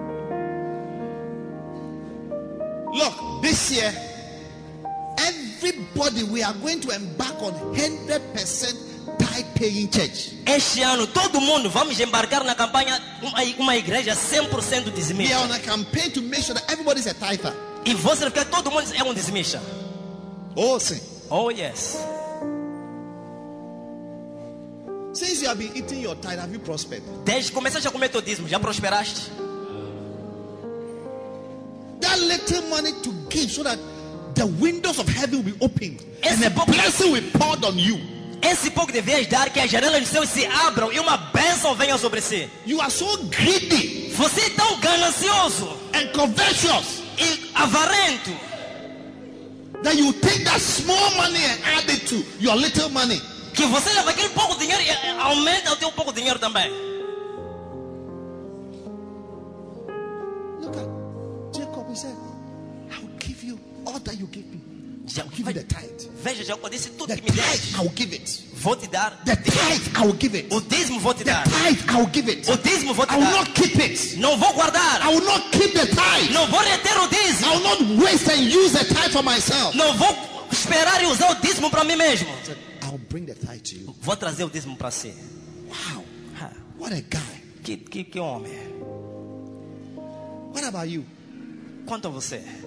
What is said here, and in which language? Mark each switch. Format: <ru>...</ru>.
<en>Look, this year, everybody, we are going to embark on 100% tithe paying church.</en> <pt>Este ano, todo mundo, vamos embarcar na campanha uma igreja 100% dizimista.</pt> <en>We are on a campaign to make sure that everybody is a tither.</en> <pt>E você vai ver todo mundo é dizimista. Oh, sim.</pt> <en>Oh, yes. Since you have been eating your tithe, have you prospered?</en> <pt>Desde começaste a comer teu dízimo, já prosperaste?</pt> <en>That little money to give so that the windows of heaven will be opened and a blessing will be poured on you.</en> <pt>Esse pouco de vez dar que as janelas do céu se abram e uma bênção venha sobre si.</pt> <en>You are so greedy.</en> <pt>Você é tão ganancioso.</pt> <en>And covetous.</en> <pt>E avarento.</pt> <en>That you take that small money and add it to your little money.</en> <pt>Que você leva aquele pouco de dinheiro e aumenta o teu pouco de dinheiro também.</pt> <en>Look at Jacob, he said, I will give you all that you give me. I'll give you the tithe.</en> <pt>Veja, Jacob, disse tudo</pt> <en>the</en> <pt>que me</pt> <en>tithe,</en> <pt>deixe.</pt> <en>I'll give it.</en> <pt>Vou te dar.</pt> <en>The tithe, I will give it.</en> <pt>O dízimo vou te dar.</pt> <en>The tithe, I will give it.</en> <pt>O dízimo vou te dar.</pt> <en>I will not keep it.</en> <pt>Não vou guardar.</pt> <en>I will not keep the tithe.</en> <pt>Não vou reter o dízimo.</pt> <en>I will not waste and use the tithe for myself.</en> <pt>Não vou esperar e usar o dízimo para mim mesmo.</pt> <en>I will bring the tithe to you.</en> <pt>Vou trazer o dízimo para si.</pt> <en>Wow. What a guy.</en> <pt>Que homem.</pt> <en>What about you?</en> <pt>Quanto a você?</pt>